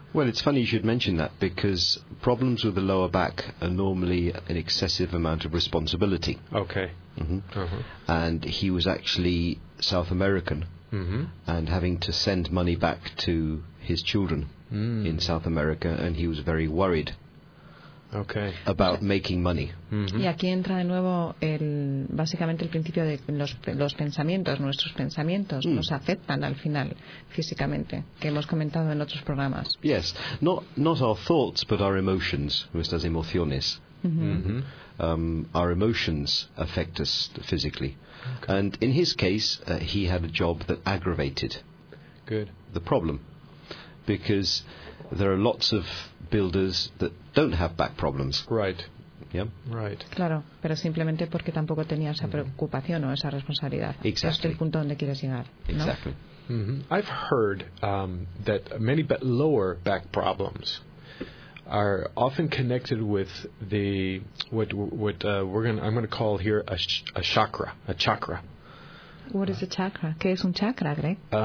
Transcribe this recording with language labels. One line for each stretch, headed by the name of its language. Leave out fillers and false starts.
English: Well, it's funny you should mention that because problems with the lower back are normally an excessive amount of responsibility. Okay. Mm-hmm. Uh-huh. And he was actually South American, mm-hmm. and having to send money back to his children in South America, and he was very worried about making money.
Spanish: Mm-hmm. Y aquí entra de nuevo básicamente el principio de los pensamientos. Nuestros pensamientos nos afectan al final físicamente, que hemos comentado en otros programas.
English: Yes, not our thoughts, but our emotions,
Spanish: nuestras emociones. Mm-hmm.
English: Our emotions affect us physically. Okay. And in his case, he had a job that aggravated the problem. Because there are lots of builders that don't have back problems. Right. Yeah. Right.
Spanish: Claro, pero simplemente porque tampoco tenía esa preocupación o esa responsabilidad.
English: Exactly.
Spanish: Es el punto donde quieres llegar, ¿no?
English: Exactly. Mm-hmm. I've heard that many lower back problems are often connected with the what I'm going to call here a chakra. What is a chakra?
Spanish: ¿Qué es un chakra, Greg?